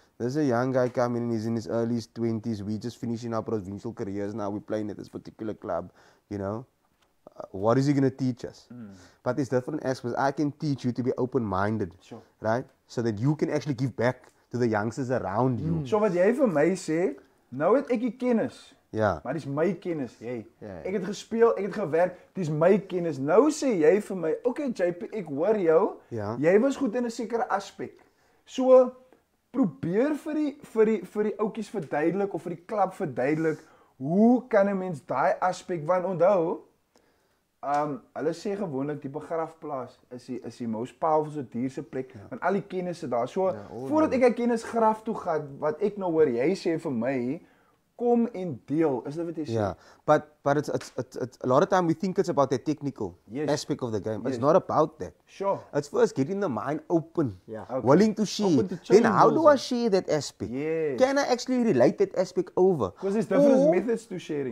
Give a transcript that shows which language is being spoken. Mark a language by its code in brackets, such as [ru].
[en] There's a young guy coming in, he's in his early 20s, we're just finishing our provincial careers now, we're playing at this particular club, you know. What is he going to teach us? But there's different aspects. I can teach you to be open-minded, sure. Right? So that you can actually give back to the youngsters around you. So what [af] jy vir my sê, nou het ek die kennis. Ja. Maar dis my kennis, jy. [en] Yeah. [af] Ek het gespeel, ek het gewerk, dis my kennis. Nou sê jy vir my, okay JP, ek hoor jou, jy was goed in 'n sekere aspek. So... probeer vir die ouetjies verduidelik of vir die klub verduidelik hoe kan 'n mens daai aspek van onthou? Hulle sê gewoonlik die begrafplaas is die [en] most powerful [af] so duurste plek want al die kennis is daar. So voordat ek 'n kennis graf toe gaan wat ek nou hoor jy sê vir my kom en deel. Is dit wat jy sê? [en] Yeah. But it's a lot of time we think it's about the technical aspect of the game. It's not about that. Sure. It's first getting the mind open. Yeah. Okay. Willing to share. Then how do I share that aspect? Yes. Can I actually relate that aspect over? Because there's different methods to sharing.